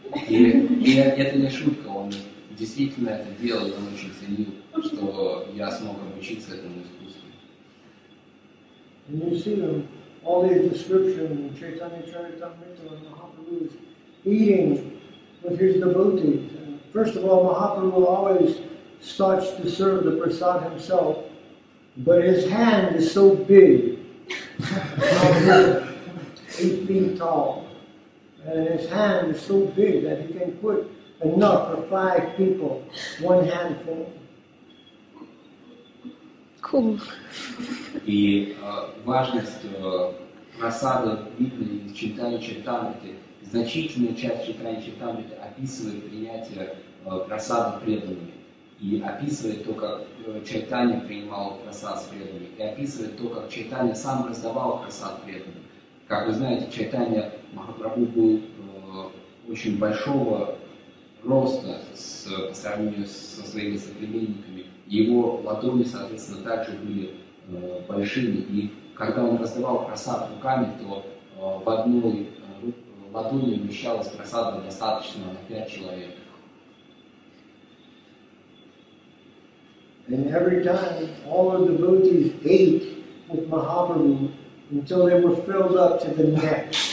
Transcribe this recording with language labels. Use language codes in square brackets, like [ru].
[ru] И это не шутка, он действительно это делал, он очень ценил, что я смог обучиться этому искусству. [en] All these descriptions in Chaitanya Charitamrita and Mahaprabhu is eating with his devotees. First of all, Mahaprabhu always starts to serve the prasad himself, but his hand is so big, 8 feet tall, and his hand is so big that he can put enough for 5 people, one handful. Cool. [ru] И важность просады видны в Чайтанья Чайтамрите. Значительная часть Чайтанья Чайтамрите описывает принятие просады преданными. И описывает то, как Чайтанья принимал просад с преданными. И описывает то, как Чайтанья сам раздавал просад преданным. Как вы знаете, Чайтанья Махапрабху был очень большого роста по сравнению со своими соплеменниками. Его ладони, соответственно, также были большими. И когда он раздавал просад руками, то в одной ладони вмещалось просада достаточно на 5 человек. [en] And every time all of the devotees ate with Mahaprabhu until they were filled up to the neck.